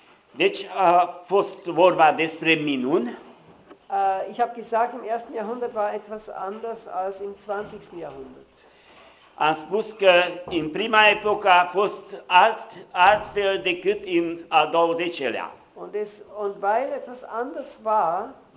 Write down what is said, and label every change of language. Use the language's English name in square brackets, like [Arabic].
[Romanian] Deci a fost vorba despre minuni. [German] Ich habe gesagt, im 1. Jahrhundert war etwas anders als im 20. Jahrhundert. [Romanian] Am spus că în prima epocă a fost altfel decât în al 20-lea. [German] Und weil etwas anders war,